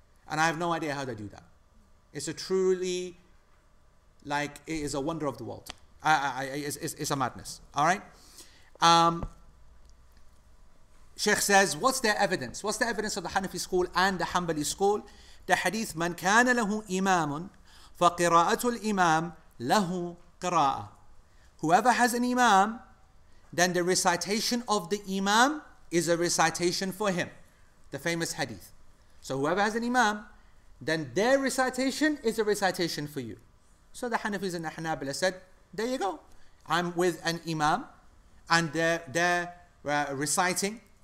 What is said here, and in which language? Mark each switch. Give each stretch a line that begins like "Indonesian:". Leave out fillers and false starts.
English: And I have no idea how they do that. It's a truly, like, it is a wonder of the world. It's a madness. All right? Sheikh says, what's their evidence? What's the evidence of the Hanafi school and the Hanbali school? The hadith,
Arabic: من كان له إمام فقراءة الإمام له قراءة.
English: Whoever has an Imam, then the recitation of the Imam is a recitation for him. The famous hadith. So whoever has an Imam, then their recitation is a recitation for you. So the Hanafis and the Hanabila said, there you go. I'm with an Imam and they're reciting.